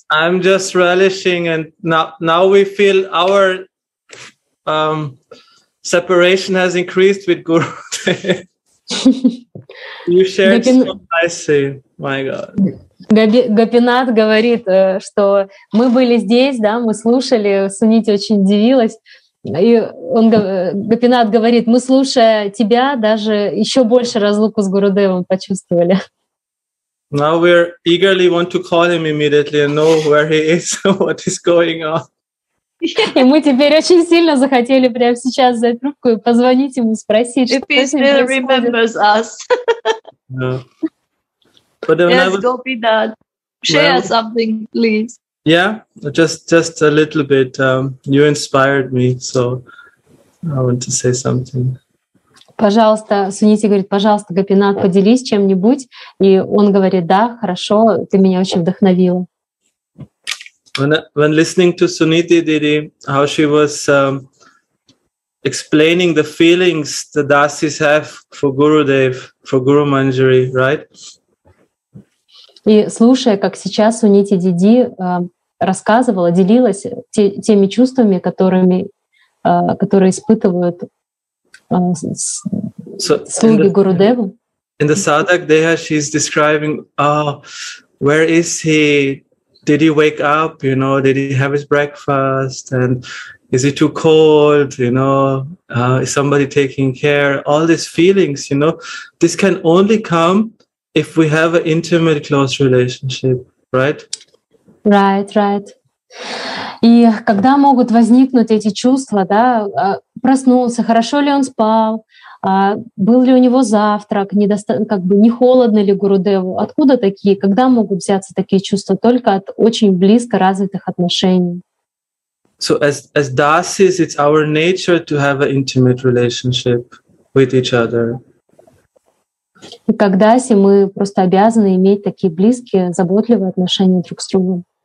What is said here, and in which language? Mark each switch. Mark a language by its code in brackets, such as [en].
[en] I'm just relishing, and now we feel our separation has increased with Gurudev. You shared so nicely. My God. [ru] Гопинат говорит, что мы были здесь, да, мы слушали. Сунити очень удивилась. И он, Гопинат говорит, мы, слушая тебя, даже еще больше разлуку с Гурудевом почувствовали. [en] Now we eagerly want to call him immediately and know where he is, what is going on. [ru] И мы теперь очень сильно захотели прямо сейчас взять трубку и позвонить ему, спросить, что с ним происходит. [en] If he still remembers us. Yes, Gopinath. Share something, please. Yeah, just a little bit. You inspired me, so I want to say something. [ru] Пожалуйста, Суните говорит, пожалуйста, Гопинат, поделись чем-нибудь. И он говорит, да, хорошо, ты меня очень вдохновила. [en] When listening to Suniti Didi, how she was explaining the feelings the Dasis have for Gurudev, for Guru Manjari, right? [ru] И слушая, как сейчас Суниti Didi рассказывала, делилась теми чувствами, которые испытывают слуги Гурудеву. [en] In the Sadak Deha, she's describing, where is he? Did he wake up, you know, did he have his breakfast, and is he too cold, you know, is somebody taking care, all these feelings, you know, this can only come if we have an intimate close relationship, right? Right, right. [ru] И когда могут возникнуть эти чувства, да, проснулся, хорошо ли он спал, был ли у него завтрак, не холодно ли Гурудеву? Откуда такие? Когда могут взяться такие чувства? Только от очень близко развитых отношений. [en] So as dasis, it's our nature to have an intimate relationship with each other. [ru] И как даси, мы просто обязаны иметь такие близкие, заботливые отношения друг с другом.